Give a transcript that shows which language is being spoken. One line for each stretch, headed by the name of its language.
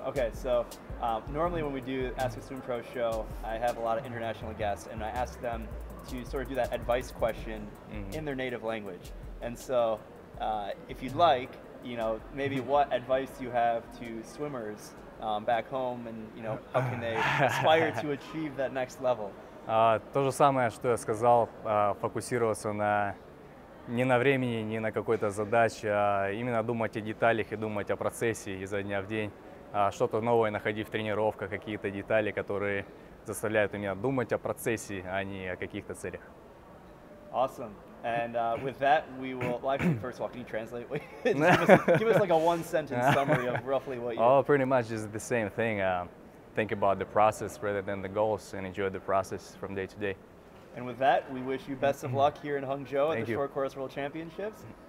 English: Okay, so normally when we do Ask a Swim Pro show, I have a lot of international guests and I ask them to sort of do that advice question in their native language. And so if you'd like, you know, maybe what advice do you have to swimmers back home and, you know, how can they aspire to achieve that next level?
Russian: То же самое, что я сказал, фокусироваться на не на времени, не на какой-то задаче, а именно думать о деталях и думать о процессе изо дня в день. Что-то новое находи в тренировках, какие-то детали, которые заставляют у меня думать о процессе, а не о каких-то целях.
English: Awesome. And with that, we will... Well, actually, first of all, can you translate? give us like a one-sentence summary of roughly what you... Oh, pretty much is the same thing. Think about the process rather than the goals and enjoy the process from day to day. And with that, we wish you best of luck here in Hangzhou at the Short Course World Championships.